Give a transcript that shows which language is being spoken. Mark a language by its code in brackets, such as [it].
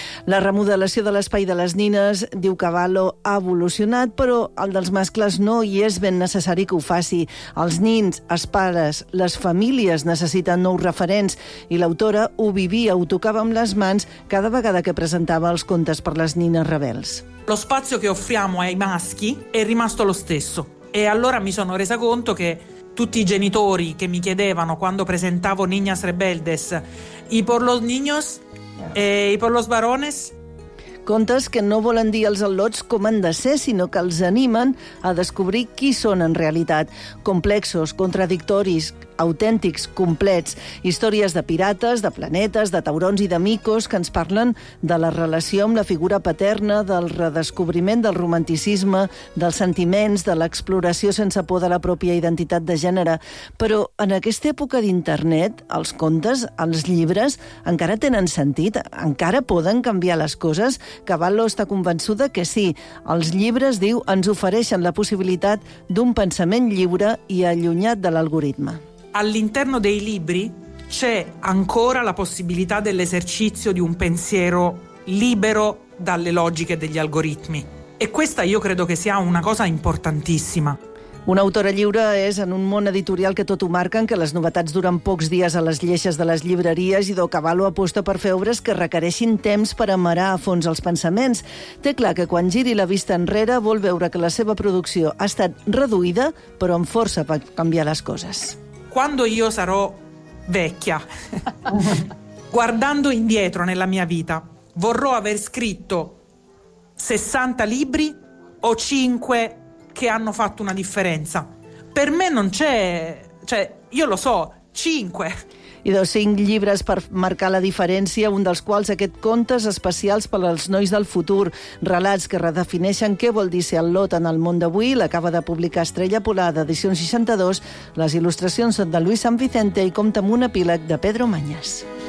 [ca] La remodelació de l'espai de les nines, diu Cavallo, ha evolucionat, però el dels mascles no, i és ben necessari que ho faci. Els nins, els pares, les famílies necessiten nous referents, i l'autora ho vivia, ho tocava amb les mans cada vegada que presentava els contes per les nines rebels. [it] Lo spazio che offriamo ai maschi è rimasto lo stesso. E allora mi sono resa conto che tutti i genitori che mi chiedevano quando presentavo Niñas Rebeldes, [es] i por los niños e i por los varones... [ca] Contes que no volen dir als al·lots com han de ser, sinó que els animen a descobrir qui són en realitat. Complexos, contradictoris, autèntics, complets. Històries de pirates, de planetes, de taurons i de micos que ens parlen de la relació amb la figura paterna, del redescobriment del romanticisme, dels sentiments, de l'exploració sense por de la pròpia identitat de gènere. Però en aquesta època d'internet, els contes, els llibres, encara tenen sentit? Encara poden canviar les coses? Cavallo està convençuda que sí. Els llibres, diu, ens ofereixen la possibilitat d'un pensament lliure i allunyat de l'algoritme. [it] All'interno dei libri c'è ancora la possibilità dell'esercizio di un pensiero libero dalle logiche degli algoritmi. E questa io credo che sia una cosa importantissima. [ca] Una autora lliure és, en un món editorial que tot ho marquen, que les novetats duren pocs dies a les lleixes de les llibreries, i Do Cavallo aposta per fer obres que requereixin temps per amarar a fons els pensaments. Té clar que quan giri la vista enrere vol veure que la seva producció ha estat reduïda, però amb força per canviar les coses. [it] Quando io sarò vecchia, guardando indietro nella mia vita, vorrò aver scritto 60 libri o 5 che hanno fatto una differenza. Per me non c'è, cioè, io lo so, 5. [ca] I dos 5 llibres per marcar la diferència, un dels quals aquest Contes especials per als nois del futur, relats que redefineixen què vol dir ser al·lot en el món d'avui. L'acaba de publicar Estrella Polar, d'edició 62. Les il·lustracions són de Luis Sanvicente i compta amb un epíleg de Pedro Mañas.